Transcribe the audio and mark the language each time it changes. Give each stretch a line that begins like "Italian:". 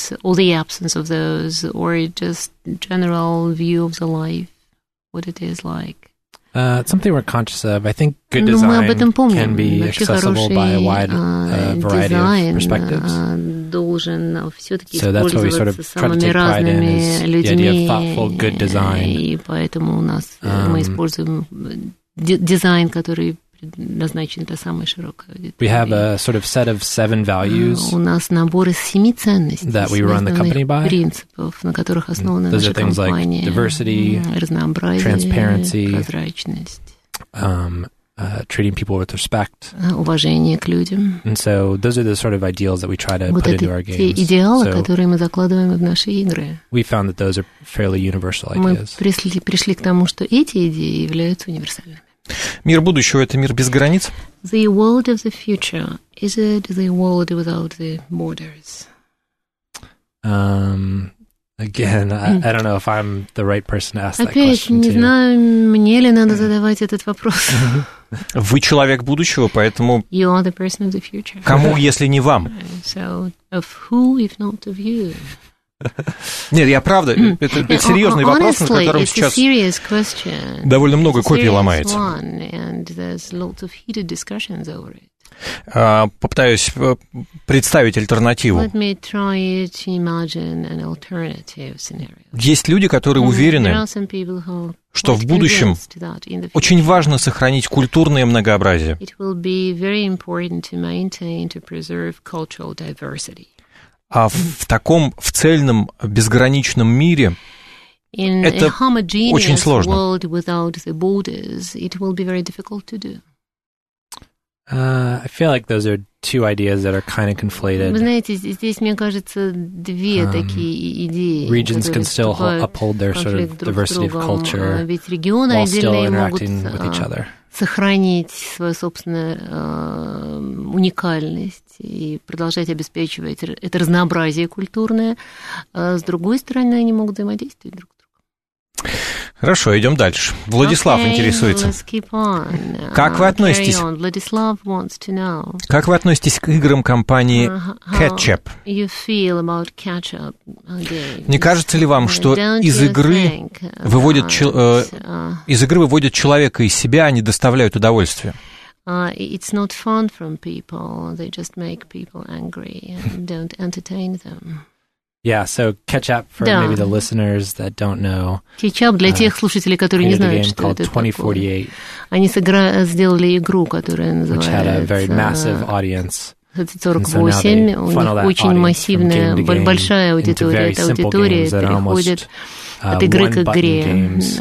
English: All the absence of those, or just general view of the life, what it is like. Something we're conscious of. I think good design can be accessible by a wide variety of perspectives. So that's what we sort of try to take pride in, is the idea of thoughtful, good design.
Russian: И поэтому у нас мы используем дизайн, который предназначен для самой широкой аудитории.
English: We have a sort of set of 7 values.
Russian: У нас набор из 7 ценностей.
English: That we run the company by.
Russian: Принципов, на которых основана наша компания.
English: Those are things like diversity,
Russian: разнообразие,
English: transparency,
Russian: прозрачность.
English: Treating people with respect.
Russian: Уважение к людям.
English: And so those are the sort of ideals that we try to put into our games.
Russian: Вот это те идеалы, которые мы закладываем в наши игры.
English: We found that those are fairly universal ideas.
Russian: Мы пришли к тому, что эти идеи являются универсальными. Мир будущего – это мир без границ?
English: The world of the future, is it the world without the borders? Again, I don't know if I'm the right person to ask that question to.
Russian: Опять, не знаю, мне ли надо задавать этот вопрос. Вы человек будущего, поэтому...
English: You are the person of the future.
Russian: Кому, если не вам?
English: So, of who, if not of you?
Russian: Нет, я правда, это серьезный вопрос,
English: honestly,
Russian: на котором сейчас довольно много копий ломается.
English: One,
Russian: попытаюсь представить альтернативу.
English: Let me try to imagine an alternative scenario.
Russian: Есть люди, которые уверены, что в будущем очень важно сохранить культурное многообразие.
English: It will be very important to maintain, to preserve cultural diversity.
Russian: А в таком, в цельном, безграничном мире это очень сложно.
English: World without the borders, it will be very difficult to do. I feel like those are two ideas that are kind of conflated.
Russian: Вы знаете, здесь, мне кажется, две такие идеи.
English: Regions can still uphold their sort of diversity of culture while still interacting with each other.
Russian: Сохранить свою собственную уникальность и продолжать обеспечивать это разнообразие культурное. С другой стороны, они могут взаимодействовать друг с другом. Хорошо, идем дальше. Владислав интересуется. Как вы относитесь?
English: Владислав wants to know.
Russian: Как вы относитесь к играм компании Ketchup?
English: You feel about Ketchup?
Russian: Не кажется ли вам, что из игры выводят человека из себя, а не доставляют удовольствие?
English: It's not fun from people. They just make people angry and don't entertain them. Yeah, so Ketchup for maybe the listeners that don't know.
Russian: Ketchup для тех слушателей, которые не знают, что это такое. Они сделали игру, которая называется.
English: Which had a very massive audience.
Russian: 48, у них очень массивная, большая аудитория. Эта аудитория переходит от игры к игре.